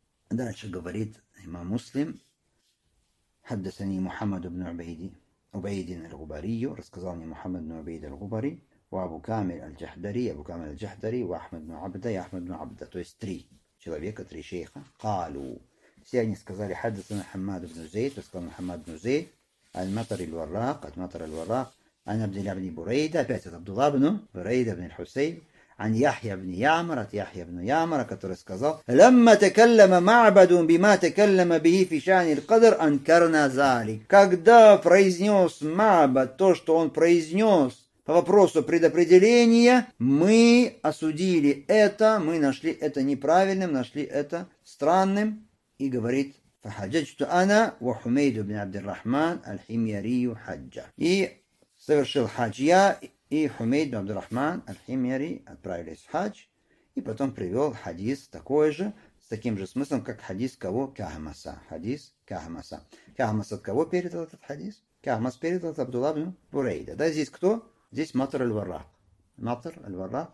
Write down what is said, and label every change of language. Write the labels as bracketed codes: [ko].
[ru] Дальше говорит имам Муслим, хаддасани Мухаммад ибн Убайди, Убайдин аль-Губарию, рассказал мне Мухаммад ибн Убайди аль-Губари, ва Абу Камиль аль-Джахдари, Абу Камиль аль-Джахдари, ва Ахмад ибн Абда, и Ахмад ибн Абда. То есть три человека, три шейха. Калу. Все они сказали, хаддасани Мухаммад ибн Зейд, рассказал Мухаммад ибн Зейд, аль-Матар аль-Варрак, [ar] аль-Матар аль-Варрак, عن عبد الله بن بريدة [ru] опять [ar] عبد الله بن بريدة بن الحسين عن يحيى بن يامر يحيى بن يامر [ru] который сказал [ar] لما تكلم معبد بما تكلم به في شأن القدر أنكرنا ذلك. [ru] Когда произнес Маабад то, что он произнес по вопросу предопределения, мы осудили это, мы нашли это неправильным, нашли это странным. И говорит [ar] فحججت أنا وحميد بن عبد الرحمن الحميري حجة. [ru] И совершил хадж я и Хумейд ибн Абдур-Рахман аль-Химьяри отправились в хадж. И потом привел хадис такой же, с таким же смыслом, как хадис кого? Кахмаса. Хадис Кахмаса. Кахмас от кого передал этот хадис? Кахмас передал от Абдулла ибн Бурейда. Да, здесь кто? Здесь Матар аль-Варрах. Матар аль-Варрах.